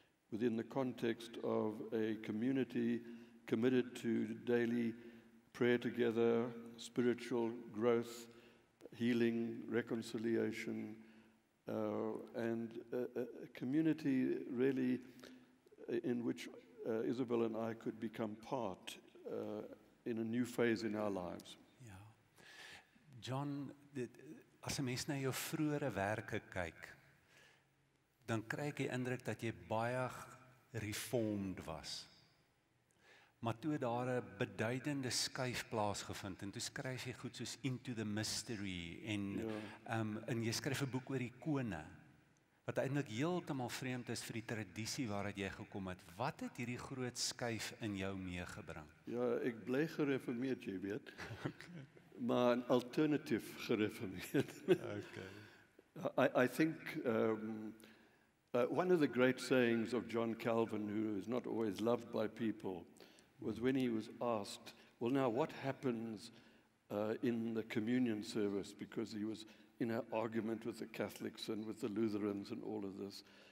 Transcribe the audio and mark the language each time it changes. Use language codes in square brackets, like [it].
[en] within the context of a community committed to daily prayer together, spiritual growth, healing, reconciliation, and a community really in which Isabel and I could become part in a new phase in our lives. [af] Ja. John, dit, as 'n mens na jou vroeëre werke kyk, dan kry ek die indruk dat jy baie reformed was. Maar toe daar 'n beduidende skuif plaasgevind en toe skryf jy goed soos Into the Mystery en en jy skryf 'n boek oor ikone wat eintlik heeltemal vreemd is vir die tradisie waaruit jy gekom het. Wat het hierdie groot skuif in jou meegebring? Ja, ek bly gereformeerd, jy weet. Okay. Maar alternatief gereformeerd. Okay. [en] I think one of the great sayings of John Calvin, who is not always loved by people, was when he was asked, well, now what happens in the communion service? Because he was in an argument with the Catholics and with the Lutherans and all of this.